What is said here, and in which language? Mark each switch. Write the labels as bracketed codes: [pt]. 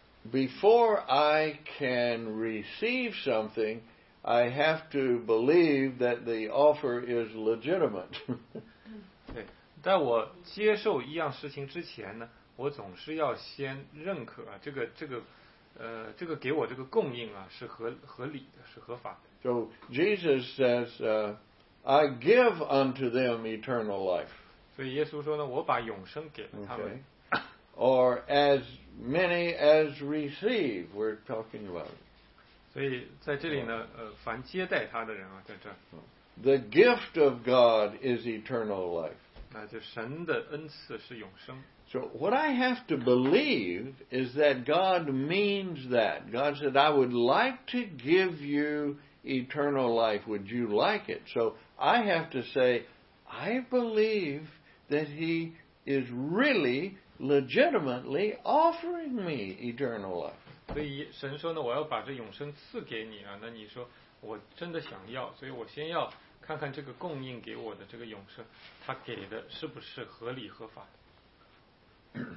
[en] Before I can receive something, I have to believe that the offer is legitimate. [zh] 对，在我接受一样事情之前呢，我总是要先认可啊，这个给我这个供应啊是合理的，是合法的。 [en] So Jesus says, "I give unto them eternal life." [zh] 所以耶稣说呢，我把永生给了他们。 [en] Okay. Or as many as receive, we're talking about. [zh] 所以在这里呢，凡接待他的人啊，在这。 [en] The gift of God is eternal life. [zh] 那就神的恩赐是永生。 [en] So what I have to believe is that God means that. God said, "I would like to give you eternal life. Would you like it?" So I have to say, "I believe that He is really." Legitimately offering me eternal life. [zh] 所以神说呢，我要把这永生赐给你啊。那你说我真的想要，所以我先要看看这个供应给我的这个永生，他给的是不是合理合法的。